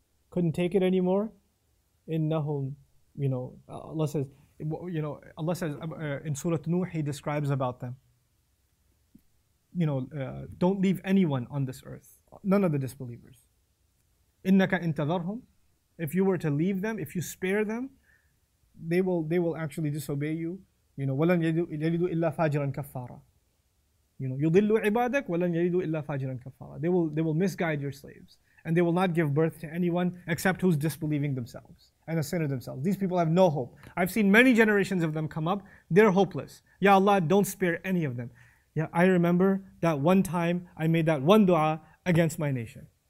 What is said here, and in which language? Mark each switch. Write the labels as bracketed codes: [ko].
[en] Couldn't take it anymore. [ar] إِنَّهُمْ, [en] you know, Allah says, you know, Allah says in Surah Nuh, he describes about them. You know, don't leave anyone on this earth. None of the disbelievers. [ar] إِنَّكَ إِن تَذَرْهُمْ. [en] If you were to leave them, if you spare them, they will actually disobey you. You know, [ar] وَلَنْ يَلِدُوا إِلَّا فَاجِرًا كَفَّارًا. You know, يُضِلُّوا عِبَادَكَ وَلَنْ يَلِدُوا إِلَّا فَاجِرًا كَفَّارًا. [en] They will misguide your slaves. And they will not give birth to anyone except who's disbelieving themselves and a sinner themselves. These people have no hope. I've seen many generations of them come up. They're hopeless. Ya Allah, don't spare any of them. Yeah, I remember that one time I made that one dua against my nation.